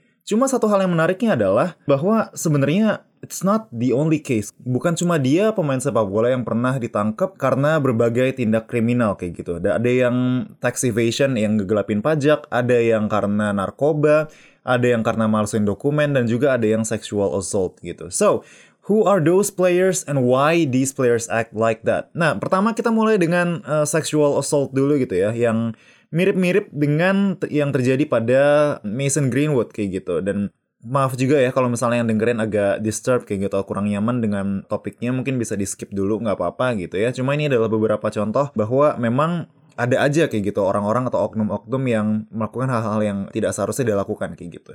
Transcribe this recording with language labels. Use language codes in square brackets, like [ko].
[id] Cuma satu hal yang menariknya adalah bahwa sebenarnya [en] it's not the only case. [id] Bukan cuma dia pemain sepak bola yang pernah ditangkap karena berbagai tindak kriminal kayak gitu. Ada yang tax evasion, yang ngegelapin pajak, ada yang karena narkoba, ada yang karena malsuin dokumen, dan juga ada yang sexual assault gitu. [en] So, who are those players and why these players act like that? [id] Nah, pertama kita mulai dengan sexual assault dulu gitu ya, yang mirip-mirip dengan yang terjadi pada Mason Greenwood kayak gitu. Dan maaf juga ya kalau misalnya yang dengerin agak disturb kayak gitu, kurang nyaman dengan topiknya, mungkin bisa di skip dulu, gak apa-apa gitu ya. Cuma ini adalah beberapa contoh bahwa memang ada aja kayak gitu orang-orang atau oknum-oknum yang melakukan hal-hal yang tidak seharusnya dilakukan kayak gitu.